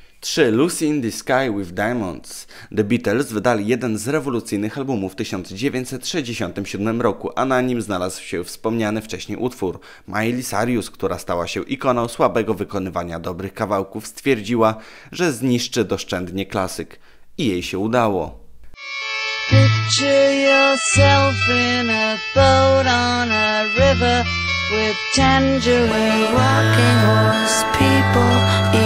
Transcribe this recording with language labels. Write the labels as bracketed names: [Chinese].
[Polish] Trzy, Lucy in the Sky with Diamonds. The Beatles wydali jeden z rewolucyjnych albumów w 1967 roku, a na nim znalazł się wspomniany wcześniej utwór. Miley Cyrus, która stała się ikoną słabego wykonywania dobrych kawałków, stwierdziła, że zniszczy doszczędnie klasyk. I jej się udało. [English] Picture yourself in a boat on a river with tangerine rocking horse people.